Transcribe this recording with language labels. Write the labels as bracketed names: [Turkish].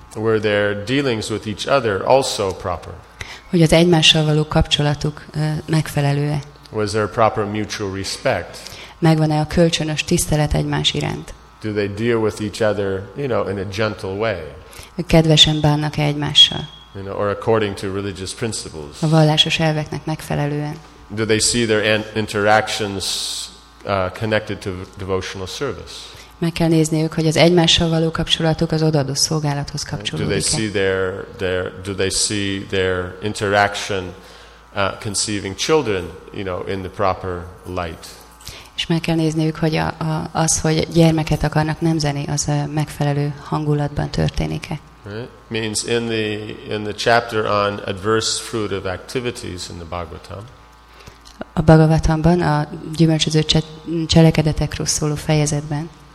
[English] Were their dealings with each other also proper? [Hungarian] Hogy az egymással való kapcsolatuk megfelelő-e? [English] Was there proper mutual respect? [Hungarian] Megvan-e a kölcsönös tisztelet egymás iránt? [English] Do they deal with each other, you know, in a gentle way? [Hungarian] Kedvesen bánnak-e egymással? [English] You know, or according to religious principles. [Hungarian] A vallásos elveknek megfelelően. [English] Do they see their interactions connected to devotional service? [Hungarian] Meg kell nézniük, hogy az egymással való kapcsolatuk az odaadó szolgálathoz kapcsolódik. [English] Do they see their interaction conceiving children, you know, in the proper light? [Hungarian] És meg kell nézniük, hogy az, hogy gyermeket akarnak nemzeni, az megfelelő hangulatban történik-e. [English] Right? Means in the chapter on adverse fruit of activities in the Bhagavatam. [Hungarian] A Bhagavatamban a gyümölcsöző cselekedetekről szóló fejezetben.